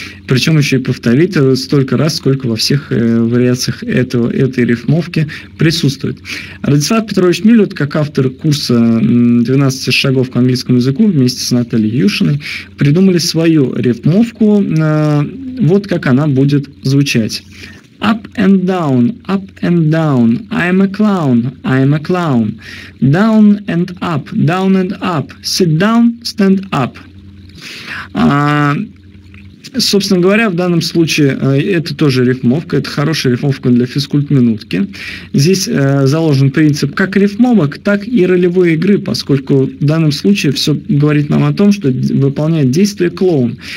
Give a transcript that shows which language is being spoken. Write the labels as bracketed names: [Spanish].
[Russian] Причем еще и повторит столько раз, сколько во всех вариациях этой рифмовки присутствует. Радислав Петрович Милют, как автор курса 12 шагов к английскому языку вместе с Натальей Юшиной, придумали свою рифмовку. Вот как она будет звучать. [English] Up and down, up and down, I'm a clown, I'm a clown. Down and up, sit down, stand up. [Russian] Собственно говоря, в данном случае это тоже рифмовка, это хорошая рифмовка для физкульт-минутки. Здесь заложен принцип как рифмовок, так и ролевой игры, поскольку в данном случае все говорит нам о том, что выполняет действие клоун.